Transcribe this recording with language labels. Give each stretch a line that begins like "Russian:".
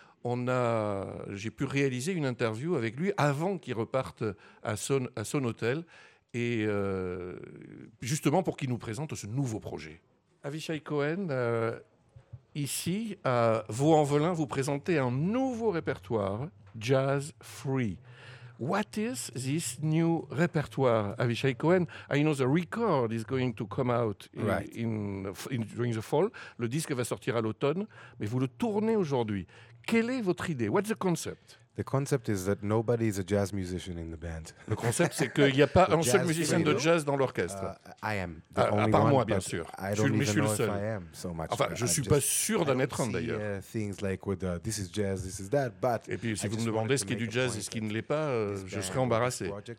French: j'ai pu réaliser une interview avec lui avant qu'il reparte à son hôtel, et justement pour qu'il nous présente ce nouveau projet. Avishai Cohen, ici, à Vaux-en-Velin, vous présentez un nouveau répertoire, Jazz Free.
English: What is this new repertoire, Avishai Cohen? I know the record is going to come out during the fall.
French: Le disque va sortir à l'automne, mais vous le tournez aujourd'hui. Quelle est votre idée?
English: What's the concept? The concept is that nobody is a jazz musician in the band.
French: Le concept, c'est qu'il n'y a pas un seul musicien de jazz dans l'orchestre.
English: I am.
French: À part moi, bien sûr.
English: I don't even know if I am so much.
French: Enfin, je ne suis pas sûr d'en être un, d'ailleurs.
English: Things like with the, this is jazz, this is that, but
French: et puis, si vous me demandez ce qui est du jazz et ce qui ne l'est pas, je serais embarrassé.